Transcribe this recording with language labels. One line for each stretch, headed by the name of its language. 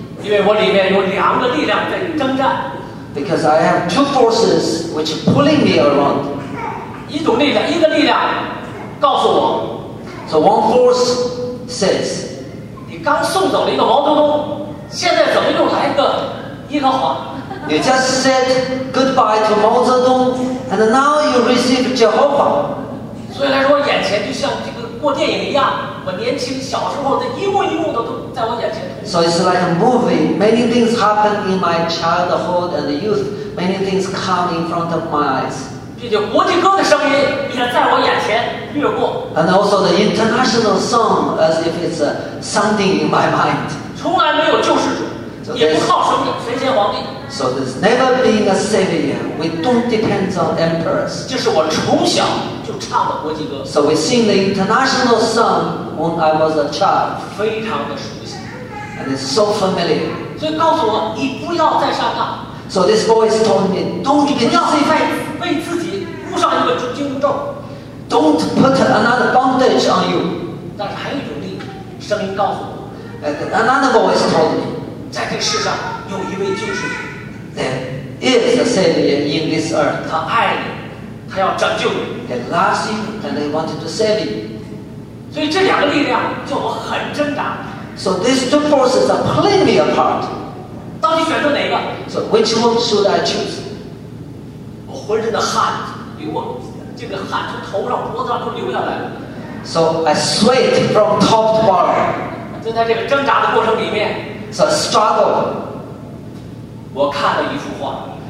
Chinese: 因为我里面有两个力量在征战。
English: Because I have two forces which are pulling me around.
Chinese: 一种力量，一个力量告诉我。
English: So one force says,
Chinese: 你刚送走了一个毛泽东，现在怎么又来个耶和华？
English: You just said goodbye to Mao Zedong, and now you receive Jehovah.
Chinese: 所以来说，我眼前就像这个过电影一样，我年轻小时候的一幕一幕的都在我眼前。
English: So it's like a movie. Many things happen in my childhood and youth. Many things come in front of my eyes.
Chinese: 并且国际歌的声音也在我眼前掠过。
English: And also the international song, as if it's sounding in my mind.
Chinese: 从来没有救世主，也不靠什么神仙皇帝。
English: So there's never been a savior. We don't depend on emperors.
Chinese: 这是我从小就唱的国际歌。
English: So we sing the international song when I was a child.
Chinese: 非常的熟悉。
English: And it's so familiar.
Chinese: 所以告诉我，你不要再上当。
English: So this voice told me, don't be deceived.
Chinese: 为自己箍上一个紧箍咒。
English: Don't put another bondage on you.
Chinese: 但是还有一种力量，声音告诉我。
English: And another voice told me,
Chinese: 在这个世上有一位救世主。
English: There is a savior in this earth.
Chinese: 他爱你，他要拯救你。
English: He loves you and he wanted to save you.
Chinese: 所以这两个力量叫我很挣扎。
English: So these two forces are pulling me apart.
Chinese: 到底选择哪个？
English: So which one should I choose?
Chinese: 我浑身的汗流啊，这个汗从头上脖子上都流下来了。
English: So I sweat from top to bottom.
Chinese: 就在这个挣扎的过程里面。
English: So struggle.
Chinese: 我看了一幅画。